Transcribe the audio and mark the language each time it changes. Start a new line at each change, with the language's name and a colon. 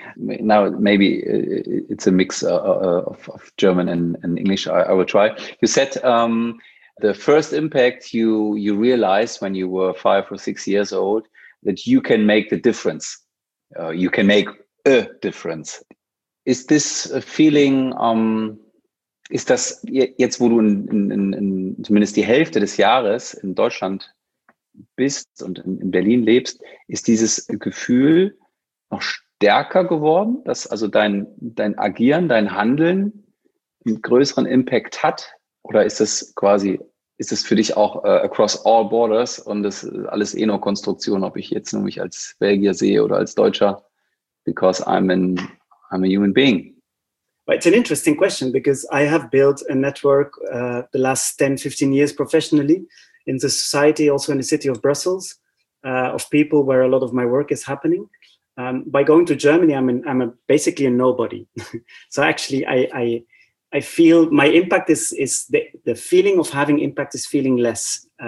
English: Now, maybe it's a mix of German and English. I will try. You said the first impact you realized when you were 5 or 6 years old, that you can make the difference. You can make a difference. Is this a feeling?
German: Ist das jetzt, wo du in zumindest die Hälfte des Jahres in Deutschland bist und in Berlin lebst, ist dieses Gefühl noch stärker geworden, dass also dein Agieren, dein Handeln einen größeren Impact hat? Oder ist das für dich auch
English: across all borders
German: und das ist alles eh nur Konstruktion, ob ich jetzt nur mich als Belgier sehe oder als Deutscher,
English: because I'm a human being? Well, it's an interesting question because I have built a network the last 10, 15 years professionally in the society, also in the city of Brussels, of people where a lot of my work is happening. By going to Germany, I'm basically a nobody. So actually, I feel my impact is the feeling of having impact is feeling less.